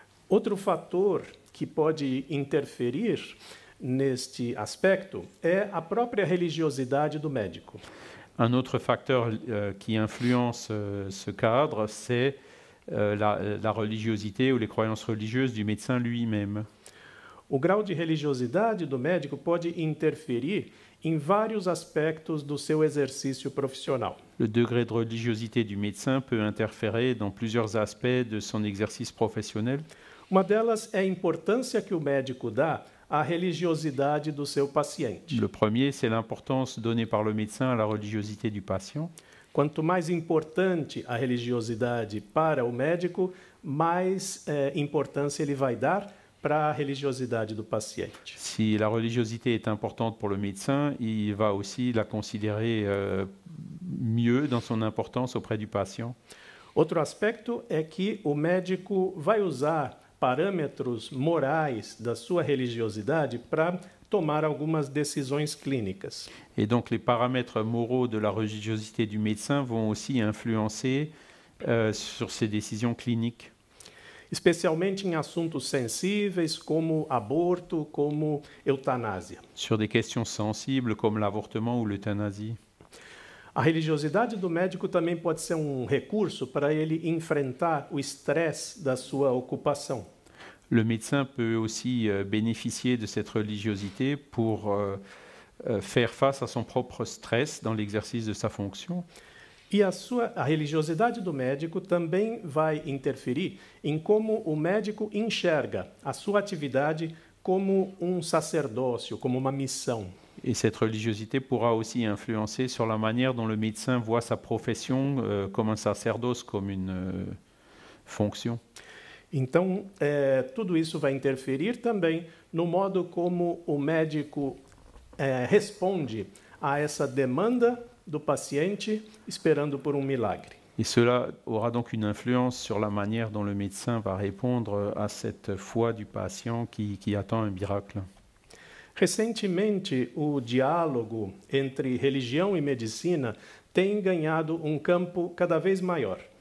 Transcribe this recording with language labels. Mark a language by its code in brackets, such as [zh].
[pt] Outro fator que pode interferir neste aspecto é a própria religiosidade do médico. [fr] Un autre facteur qui influence ce cadre, c'est la religiosité ou les croyances religieuses du médecin lui-même. [pt] O grau de religiosidade do médico pode interferir em vários aspectos do seu exercício profissional. [fr] Le degré de religiosité du médecin peut interférer dans plusieurs aspects de son exercice professionnel. [pt] Uma delas é a importância que o médico dá à religiosidade do seu paciente. [fr] Le premier, c'est l'importance donnée par le médecin à la religiosité du patient. [pt] Quanto mais importante a religiosidade para o médico, mais importância ele vai dar para a religiosidade do paciente. [fr] Si la religiosité est importante pour le médecin, il va aussi la considérer mieux dans son importance auprès du patient. [pt] Outro aspecto é que o médico vai usar parâmetros morais da sua religiosidade para tomar algumas decisões clínicas. [fr] Et donc les paramètres moraux de la religiosité du médecin vont aussi influencer sur ses décisions cliniques. [pt] Especialmente em assuntos sensíveis como aborto, como eutanásia. [fr] Sur des questions sensibles comme l'avortement ou l'euthanasie. [pt] A religiosidade do médico também pode ser um recurso para ele enfrentar o estresse da sua ocupação. [fr] Le médecin peut aussi bénéficier de cette religiosité pour faire face à son propre stress dans l'exercice de sa fonction. [pt] E a religiosidade do médico também vai interferir em como o médico enxerga a sua atividade como um sacerdócio, como uma missão. [fr] Et cette religiosité pourra aussi influencer sur la manière dont le médecin voit sa profession comme un sacerdoce, comme une fonctions. [pt] Então, tudo isso vai interferir também no modo como o médico responde à essa demanda do paciente esperando por milagre. [fr] Et cela aura donc une influence sur la manière dont le médecin va répondre à cette foi du patient qui attend un miracle. [pt] Recentemente, o diálogo entre religião e medicina tem ganhado campo cada vez maior.